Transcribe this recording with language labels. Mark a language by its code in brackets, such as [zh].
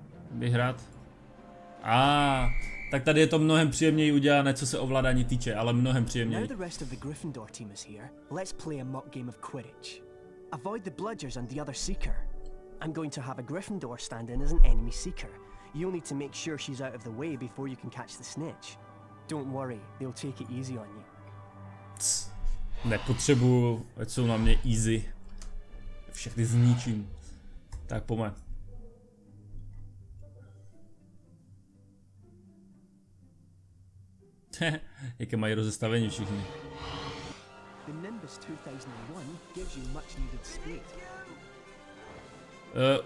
[cs] Vyhrát. A tak tady je to mnohem příjemněji udělané, co se ovládání týče, ale mnohem příjemněji. [en] The rest of the Gryffindor team is here. Let's play a mock game of Quidditch. Avoid the bludgers and the other seeker. I'm going to have a Gryffindor stand in as an enemy seeker. You'll need to make sure she's out of the way before you can catch the snitch. Don't worry, they'll take it easy on you. [cs] Nepotřebuju, ať jsou na mě easy. Všechny zničím. Tak pomeň. Jaké mají rozestavení všichni. [en] The Nimbus 2001 gives you much needed speed.